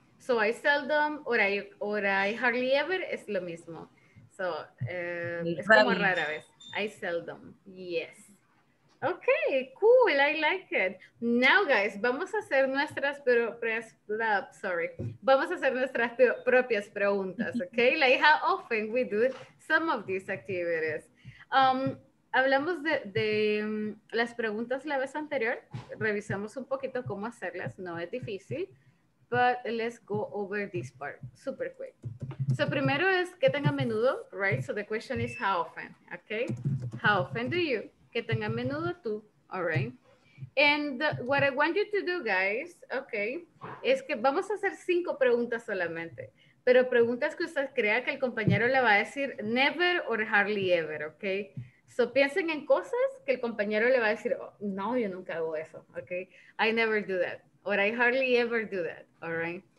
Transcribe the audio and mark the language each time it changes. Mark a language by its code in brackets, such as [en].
[en] So I seldom, or I hardly ever, [es] es lo mismo. So, es como rara vez. [en] I seldom, yes. Okay, cool, I like it. Now, guys, [es] vamos a hacer nuestras, vamos a hacer nuestras propias preguntas, [en] okay? Like how often we do some of these activities. [es] Hablamos de las preguntas la vez anterior. Revisamos un poquito cómo hacerlas. No es difícil. [en] But let's go over this part super quick. So [es] primero es, ¿qué tan a menudo? [en] Right? So the question is, how often? Okay? How often do you? [es] ¿Qué tan a menudo tú? [en] All right? And what I want you to do, guys, okay, [es] es que vamos a hacer 5 preguntas solamente. Pero preguntas que usted crea que el compañero le va a decir [en] never or hardly ever, okay? So [es] piensen en cosas que el compañero le va a decir, oh, no, yo nunca hago eso, [en] okay? I never do that, or I hardly ever do that, all right?